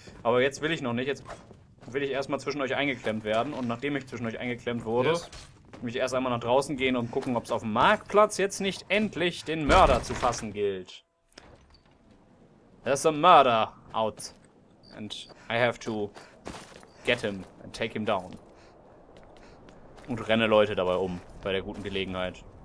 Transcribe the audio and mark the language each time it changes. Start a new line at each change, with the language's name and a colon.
German: Aber jetzt will ich noch nicht. Jetzt will ich erstmal zwischen euch eingeklemmt werden. Und nachdem ich zwischen euch eingeklemmt wurde, mich erst einmal nach draußen gehen und gucken, ob es auf dem Marktplatz jetzt nicht endlich den Mörder zu fassen gilt.
English: There's a murder out. And I have to get him and take him down.
German: Und renne Leute dabei um, bei der guten Gelegenheit.